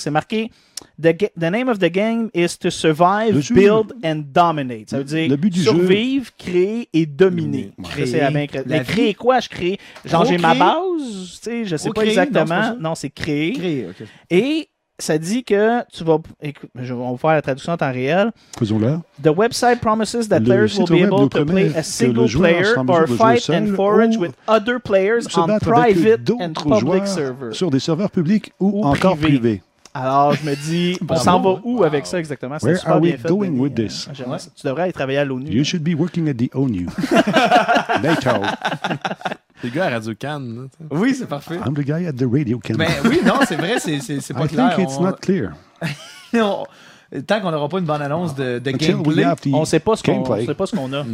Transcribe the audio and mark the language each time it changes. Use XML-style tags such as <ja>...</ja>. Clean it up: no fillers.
<fr>C'est marqué</fr> <en>The name of the game is to survive, build and dominate.</en> <fr>Ça veut dire survivre, créer et dominer. Mais créer quoi? Je crée. Genre, j'ai ma base. Je sais pas exactement. Non, c'est créer. Créer, OK. Et ça dit que tu vas... Écoute, je vais vous faire la traduction en temps réel. Faisons-la.</fr> <en>The website promises that players will be able to play a single player or fight and forage with other players on private and public servers.</en> <fr>Sur des serveurs publics ou encore privés. Alors, je me dis, on s'en va où avec ça exactement? C'est super bien fait.</fr> <en>Where are we going with this?</en> <fr>Tu devrais aller travailler à l'ONU.</fr> <en>You should be working at the ONU. NATO.</en> <fr>Les gars à Radio Can. Oui, c'est parfait.</fr> <en>I'm the guy at the Radio Can.</en> <fr>Ben oui, non, c'est vrai, c'est pas</fr> <en>I</en> <fr>clair.</fr> <en>I think it's not clear.</en> <fr>Non, tant qu'on n'aura pas une bonne annonce de gameplay, on sait pas ce qu'on sait pas ce qu'on a.</fr>